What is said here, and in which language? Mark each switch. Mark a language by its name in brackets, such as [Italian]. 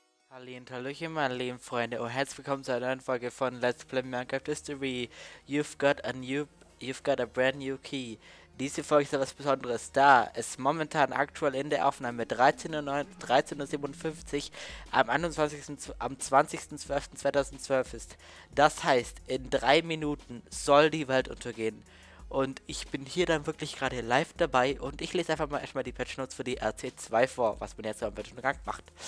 [German] Hallo, hallöchen, meine lieben Freunde, und herzlich willkommen zu einer neuen Folge von Let's Play Minecraft History. [English] You've got a brand new key. [German] Diese Folge ist etwas Besonderes, da es momentan aktuell in der Aufnahme 13:57 am 20.12.2012 ist. Das heißt, in 3 Minuten soll die Welt untergehen. Und ich bin hier dann wirklich gerade live dabei und ich lese einfach mal erstmal die Patch Notes für die RC2 vor, was man jetzt am Patchengang macht.